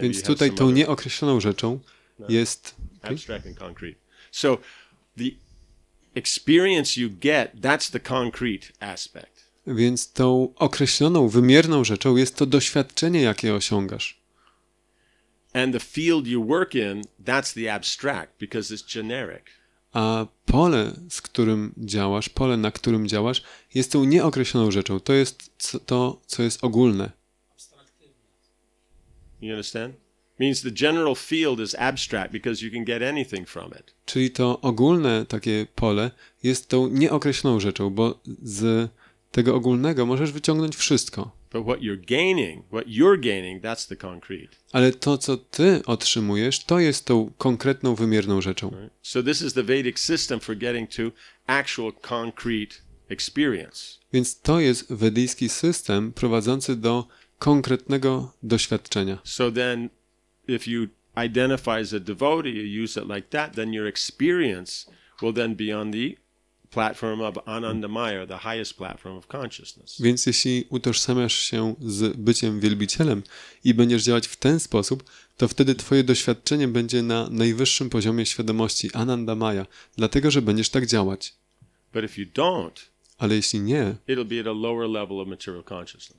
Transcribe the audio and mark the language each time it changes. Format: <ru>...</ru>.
<pl>Maybe. Więc tutaj tą nieokreśloną rzeczą jest</pl> <en>abstract and concrete. So the experience you get, that's the concrete aspect.</en> <pl>Więc tą określoną, wymierną rzeczą jest to doświadczenie, jakie osiągasz.</pl> <en>And the field you work in, that's the abstract, because it's generic.</en> <pl>A pole, z którym działasz, pole, na którym działasz, jest tą nieokreśloną rzeczą. To jest to, co jest ogólne.</pl> <en>You understand? Means the general field is abstract, because you can get anything from it.</en> <pl>Czyli to ogólne takie pole jest tą nieokreśloną rzeczą, bo z tego ogólnego możesz wyciągnąć wszystko.</pl> <en>But what you're gaining, that's the concrete.</en> <pl>Ale to, co ty otrzymujesz, to jest tą konkretną, wymierną rzeczą.</pl> <en>So this is the Vedic system for getting to actual concrete experience.</en> <pl>Więc to jest wedyjski system prowadzący do konkretnego doświadczenia.</pl> <en>So then, if you identify as a devotee, you use it like that, then your experience will then be on the platform of Anandamaya, the highest platform of consciousness.</en> <pl>Więc jeśli utożsamiasz się z byciem wielbicielem i będziesz działać w ten sposób, to wtedy twoje doświadczenie będzie na najwyższym poziomie świadomości Anandamaya, dlatego że będziesz tak działać.</pl> <en>But if you don't,</en> <pl>ale jeśli nie,</pl> <en>it'll be at a lower level of material consciousness.</en>